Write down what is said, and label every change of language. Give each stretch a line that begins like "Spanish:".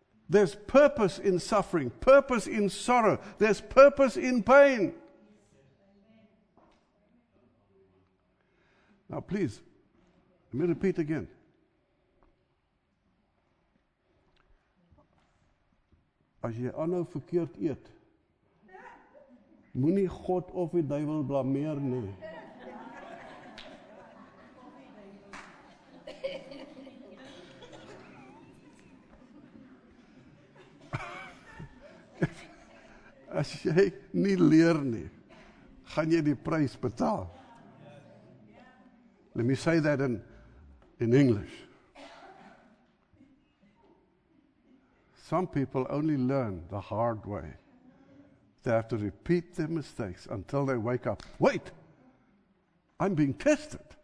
English: There's purpose in suffering, purpose in sorrow, there's purpose in pain. Now, please, let me repeat again.
Afrikaans: As jy aanhou verkeerd eet, moenie God of die duiwel blameer nie. As jy nie leer nie, gaan jy die prys betaal.
English: Let me say that in English. Some people only learn the hard way. They have to repeat their mistakes until they wake up. Wait, I'm being tested.